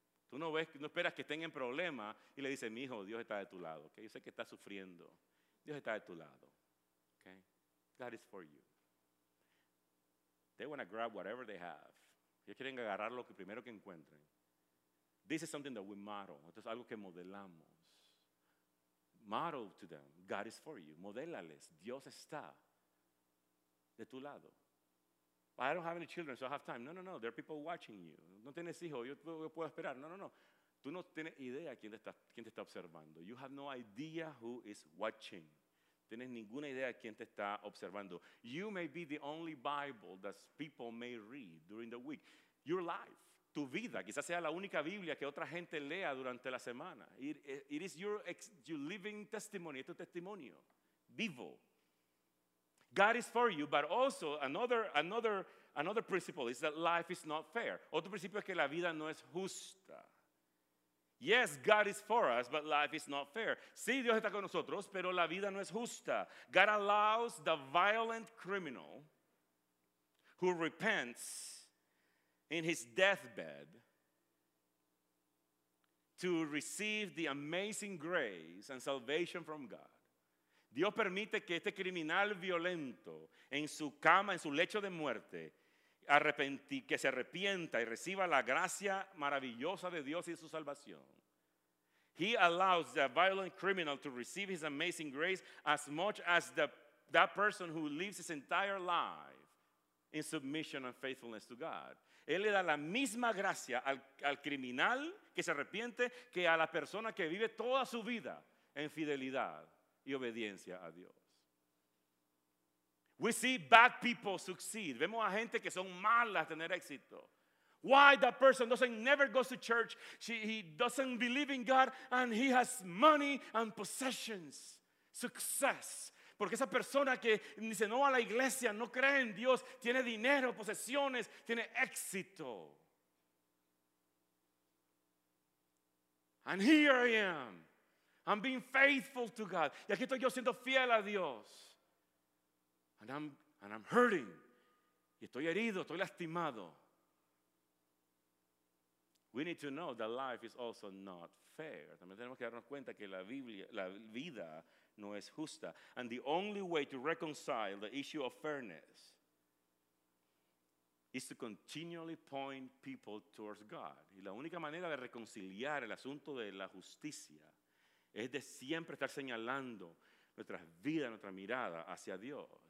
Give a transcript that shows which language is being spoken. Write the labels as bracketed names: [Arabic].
[Spanish] Tú no ves, no esperas que estén en problemas y le dices, mi hijo, Dios está de tu lado. ¿Okay? Yo sé que estás sufriendo. Dios está de tu lado. ¿Okay? [English] God is for you. They want to grab whatever they have. [Spanish] Ellos quieren agarrar lo que primero que encuentren. [English] This is something that we model. [Spanish] Esto es algo que modelamos. [English] Model to them. God is for you. [Spanish] Modélales. Dios está de tu lado. [English] I don't have any children, so I have time. No, no, no. There are people watching you. [Spanish] No tienes hijos. Yo puedo esperar. No, no, no. Tú no tienes idea quién te está observando. [English] You have no idea who is watching. [Spanish] Tienes ninguna idea quién te está observando. [English] You may be the only Bible that people may read during the week. Your life. [Spanish] Tu vida, quizás sea la única Biblia que otra gente lea durante la semana. [English] It is your living testimony, [Spanish] es tu testimonio vivo. [English] God is for you, but also another principle is that life is not fair. [Spanish] Otro principio es que la vida no es justa. [English] Yes, God is for us, but life is not fair. [Spanish] Sí, Dios está con nosotros, pero la vida no es justa. [English] God allows the violent criminal who repents in his deathbed to receive the amazing grace and salvation from God. [Spanish] Dios permite que este criminal violento en su cama, en su lecho de muerte, que se arrepienta y reciba la gracia maravillosa de Dios y su salvación. [English] He allows the violent criminal to receive his amazing grace as much as that person who lives his entire life in submission and faithfulness to God. [Spanish] Él le da la misma gracia al criminal que se arrepiente que a la persona que vive toda su vida en fidelidad y obediencia a Dios. [English] We see bad people succeed. [Spanish] Vemos a gente que son malas tener éxito. [English] Why that person never goes to church? He doesn't believe in God and he has money and possessions. Success. [Spanish] Porque esa persona que dice no a la iglesia, no cree en Dios, tiene dinero, posesiones, tiene éxito. [English] And here I am. I'm being faithful to God. [Spanish] Y aquí estoy yo siendo fiel a Dios. [English] And I'm hurting. [Spanish] Y estoy herido, estoy lastimado. [English] We need to know that life is also not fair. [Spanish] También tenemos que darnos cuenta que la vida no es justa. [English] And the only way to reconcile the issue of fairness is to continually point people towards God. [Spanish] Y la única manera de reconciliar el asunto de la justicia es de siempre estar señalando nuestra vida, nuestra mirada hacia Dios.